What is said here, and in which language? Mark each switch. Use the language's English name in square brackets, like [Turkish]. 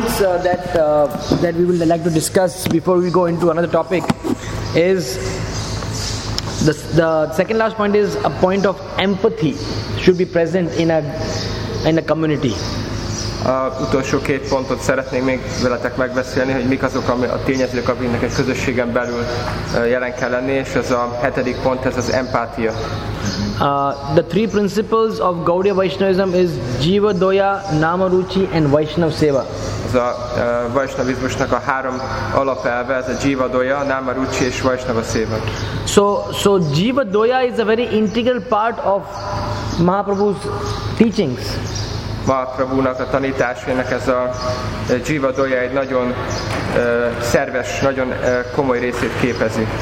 [English] that we would like to discuss before we go into another topic is the second last point is a point of empathy should be present in a community. [Hungarian] Utolsó két pontot szeretnék még veletek megbeszélni, hogy mik azok a tényezők, aminek egy közösségen belül jelen kell lenni, és ez a hetedik pont, ez az empátia. [English] The three principles of Gaudiya Vaishnavism is Jiva Doya, Nama Ruchi and Vaishnav Seva. [Hungarian] Ez a Vaishnavizmusnak a három alapelve, ez a Jiva Doya, Nama Ruchi és Vaishnav Seva. [English] So Jiva Doya is a very integral part of Mahaprabhu's teachings. [Hungarian] Mahaprabhunak a tanításainak ez a Jiva Doya egy nagyon szerves, nagyon komoly részét képezi.